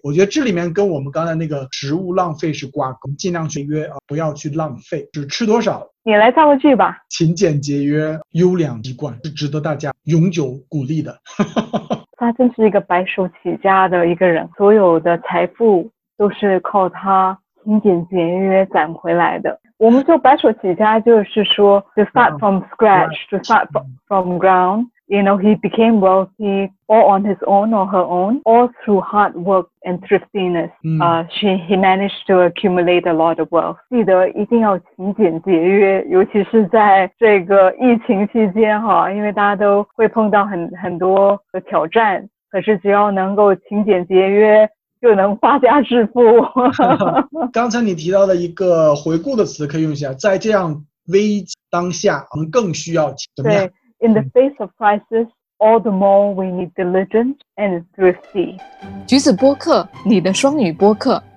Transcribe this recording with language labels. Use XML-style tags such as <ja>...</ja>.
<zh>我觉得这里面跟我们刚才那个食物浪费是挂钩，尽量节约不要去浪费，只吃多少。你来造个句吧。勤俭节约优良习惯是值得大家永久鼓励的。他真是一个白手起家的一个人，所有的财富都是靠他勤俭节约攒回来的。我们说白手起家就是说</zh> <en>to start from scratch, to start from ground, you know, he became wealthy all on his own or her own, all through hard work and thriftiness. He managed to accumulate a lot of wealth.</en> <zh>记得一定要勤俭节约，尤其是在这个疫情期间哈，因为大家都会碰到很多的挑战，可是只要能够勤俭节约就能发家致富。刚才你提到的一个回顾的词可以用一下，在这样危机当下我们更需要怎么样。</zh> <en>对， In the face of crisis, all the more we need diligence and thrifty.</en> <zh>橘子播客，你的双语播客。</zh>